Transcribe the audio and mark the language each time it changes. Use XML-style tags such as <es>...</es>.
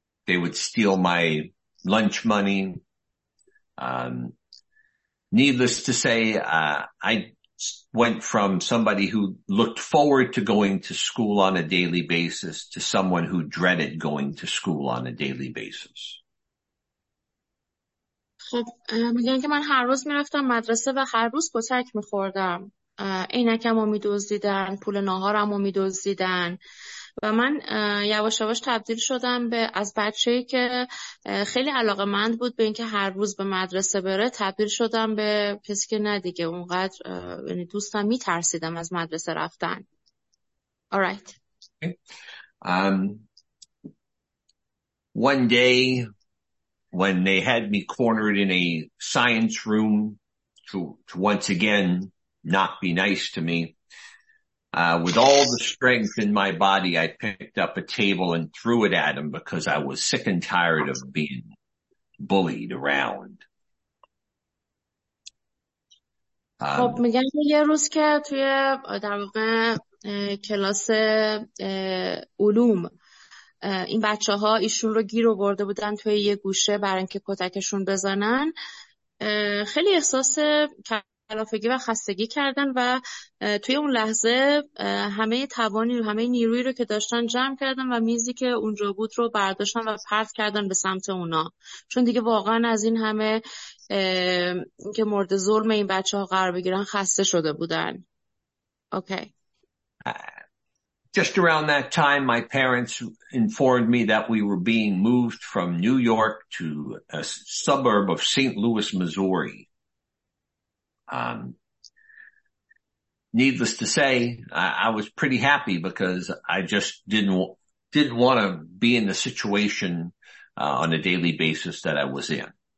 <en>They would steal my lunch money. Needless to say, I went from somebody who looked forward to going to school on a daily basis to someone who dreaded going to school on a daily basis.</en> <fa>خب میگن که من هر روز میرفتم مدرسه و هر روز کتک میخوردم. عینکم رو میدزدیدن، پول ناهارم رو میدزدیدن و من یواش یواش تبدیل شدم به از بچه‌ای که خیلی علاقه‌مند بود به اینکه هر روز به مدرسه بره، تبدیل شدم به کسی که نه دیگه اونقدر دوستم میترسیدم از مدرسه رفتن. Alright.</fa> <en>One day when they had me cornered in a science room to once again not be nice to me, with all the strength in my body, I picked up a table and threw it at him because I was sick and tired of being bullied around.</en> <fa>خب میگن که یه روز که توی در واقع کلاس علوم این بچه ها ایشون رو گیر آورده بودن توی یه گوشه برای اینکه کتکشون بزنن، خیلی احساس کلافگی و خستگی کردن و توی اون لحظه همه توانی و همه نیرویی رو که داشتن جمع کردن و میزی که اونجا بود رو برداشتن و پرت کردن به سمت اونا، چون دیگه واقعا از این همه که مورد ظلم این بچه ها قرار بگیرن خسته شده بودن. اوکی.</fa> <en>Just around that time, my parents informed me that we were being moved from New York to a suburb of St. Louis, Missouri. Needless to say, I was pretty happy because I just didn't want to be in the situation on a daily basis that I was in.</en>